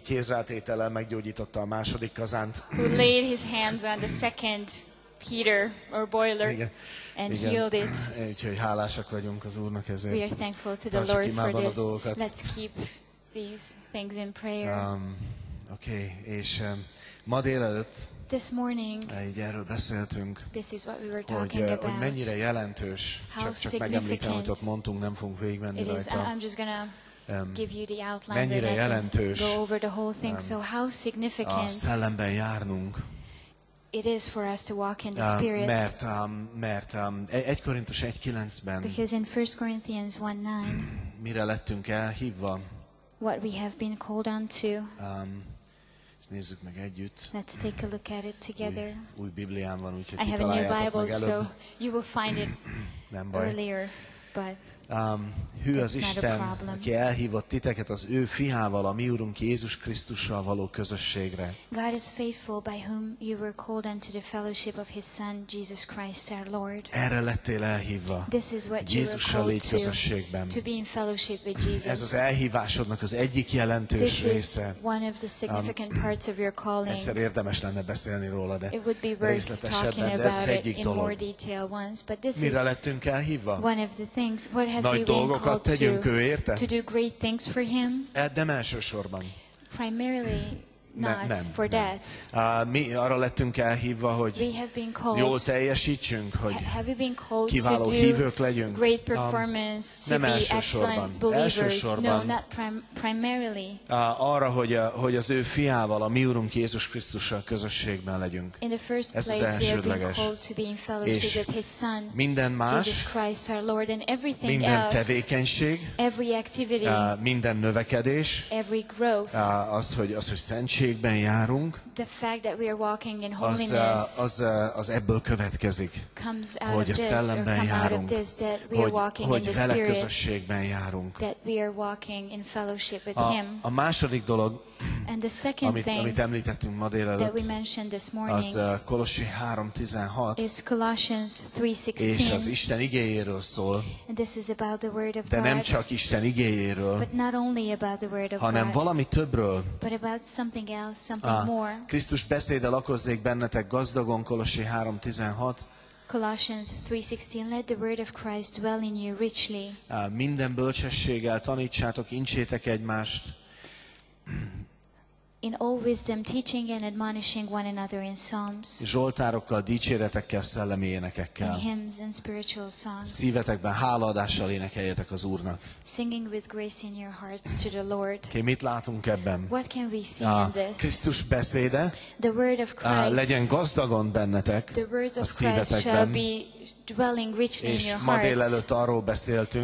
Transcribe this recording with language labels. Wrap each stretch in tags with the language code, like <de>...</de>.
<hu>kézrátétellel meggyógyította a második kazánt.</hu> <en>Who laid his hands on the second heater or boiler and healed it.</en> <hu>Úgyhogy hálásak vagyunk az Úrnak ezért.</hu> <en>We are thankful to the Lord for this. Let's keep these things in prayer.</en> <hu>Okay, és ma délelőtt</hu> <en>this morning,</en> <hu>így erről beszéltünk,</hu> <en>this is what we were talking about.</en> <hu>Hogy mennyire jelentős, csak megemlítem, hogy ott mondtunk, nem fogunk végigmenni rajta.</hu> <en>I'm just gonna give you the outline.</en> <hu>Mennyire jelentős,</hu> <en>go over the whole thing. So how significant?</en> <hu>A szellemben járnunk.</hu> <en>It is for us to walk in the Spirit.</en> <hu>Mert 1 Korintus 1:9-ben.</hu> <en>Because in 1 Corinthians 1:9.</en> <hu>Mire lettünk elhívva?</hu> <en>What we have been called unto.</en> <hu>Nézzük meg együtt.</hu> <en>Let's take a look at it together.</en> <hu>Új Bibliám van, úgyhogy</hu> <en>I have a new Bible,</en> <hu>megelőbb.</hu> <en>So you will find it earlier, but</en> <hu>hű az Isten, aki elhívott titeket az ő fiával, a mi Urunk Jézus Krisztussal való közösségre.</hu> <en>God is faithful by whom you were called unto the fellowship of his son Jesus Christ our Lord.</en> <hu>Erre lettél elhívva.</hu> <en>This is what</en> <hu>Jézussal légy közösségben.</hu> <en>To be in fellowship with Jesus.</en> <hu>Ez az elhívásodnak az egyik jelentős</hu> <en>this</en> <hu>része.</hu> <en>One of the significant parts of your calling.</en> <hu>Egyszer érdemes lenne beszélni róla, de</hu> <en>it would be worth</en> <hu>részletesebben,</hu> <en>talking about</en> <hu>ez egyik</hu> <en>it in more detail once, but this</en> <hu>mire</hu> <en>is</en> <hu>lettünk elhívva?</hu> <en>One of the things what</en> <hu>nagy dolgokat tegyünk ő érte?</hu> <en>To do great things for him?</en> <hu>Nem elsősorban.</hu> <en>Primarily not for that.</en> <hu>Mi arra lettünk elhívva, hogy jól teljesítsünk, hogy kiváló hívők legyünk.</hu> <en>Great performance, to</en> <hu>nem elsősorban. Elsősorban.</hu> <en>No, not primarily.</en> <hu>Arra, hogy az ő fiával, a mi Urunk Jézus Krisztussal közösségben legyünk.</hu> <en>In the first place,</en> <hu>ez az elsődleges.</hu> <en>És his son,</en> <hu>minden más,</hu> <en>Christ, our Lord, and everything</en> <hu>minden</hu> <en>else,</en> <hu>tevékenység,</hu> <en>every activity,</en> <hu>minden növekedés,</hu> <en>every growth,</en> <hu>az, hogy szent szentségben járunk,</hu> <en>the fact that we are walking in holiness</en> <hu>az ebből következik,</hu> <en>comes out</en> <hu>hogy a szellemben</hu> <en>this,</en> <hu>járunk,</hu> <en>this, that we</en> <hu>hogy,</hu> <en>are</en> <hu>hogy</hu> <en>in the</en> <hu>vele közösségben járunk.</hu> <en>That we are walking in fellowship with him.</en> <hu>A második dolog,</hu> <en>and the second</en> <hu>amit említettünk ma délelőtt,</hu> <en>that we mentioned this morning,</en> <hu>az Kolossi 3:16,</hu> <en>is Colossians 3:16,</en> <hu>és az Isten igéjéről szól,</hu> <en>and this is about the word of</en> <hu>de</hu> <en>God,</en> <hu>nem csak Isten igéjéről,</hu> <en>but not only about the word of</en> <hu>hanem</hu> <en>God,</en> <hu>valami többről,</hu> <en>but about something else, something more.</en> <hu>Krisztus beszéde lakozzék bennetek gazdagon, Kolossi 3:16.</hu> <en>Colossians 3:16, let the word of Christ dwell in you richly.</en> <hu>Minden bölcsességgel tanítsátok, intsétek egymást.</hu> <en>In all wisdom, teaching and admonishing one another in psalms.</en> <hu>Zsoltárokkal, dicséretekkel, szellemi énekekkel.</hu> <en>In hymns and spiritual songs.</en> <hu>Szívetekben hálaadással énekeljetek az Úrnak.</hu> <en>Singing with grace in your hearts to the Lord.</en> <hu>Okay, mit látunk ebben?</hu> <en>What can we see in this?</en> <hu>Krisztus beszéde.</hu> <en>The word of Christ.</en> <hu>Legyen gazdagon bennetek.</hu> <en>The words of</en> <hu>a szívetekben.</hu> <en>Christ shall be dwelling richly</en> <hu>és</hu> <en>in your</en> <hu>ma délelőtt arról beszéltünk,</hu>